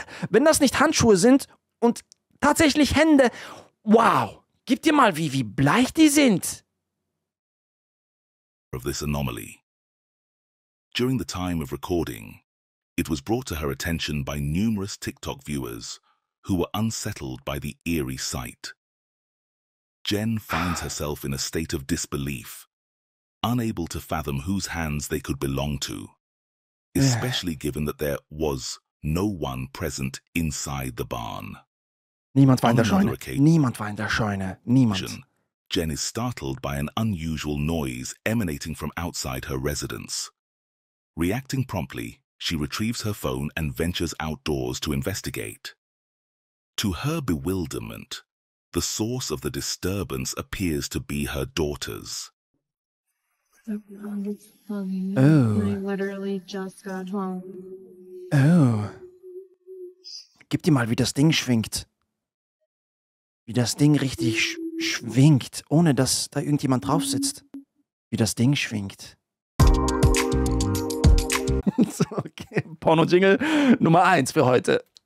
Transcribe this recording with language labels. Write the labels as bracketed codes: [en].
[de] Wenn das nicht Handschuhe sind und tatsächlich Hände, wow! Gib dir mal, wie bleich die sind. [en] Of this anomaly. During the time of recording, it was brought to her attention by numerous TikTok viewers who were unsettled by the eerie sight. Jen finds herself in a state of disbelief, unable to fathom whose hands they could belong to, especially given that there was no one present inside the barn. [de] Niemand war in der Scheune. Niemand. [en] Jen is startled by an unusual noise emanating from outside her residence. Reacting promptly, she retrieves her phone and ventures outdoors to investigate. To her bewilderment, the source of the disturbance appears to be her daughters. Oh. I literally just got home. Oh. [de] Gib dir mal, wie das Ding schwingt. Wie das Ding richtig schwingt, ohne dass da irgendjemand drauf sitzt. Wie das Ding schwingt. [en] So, okay. [de] Porno-Jingle Nummer 1 für heute.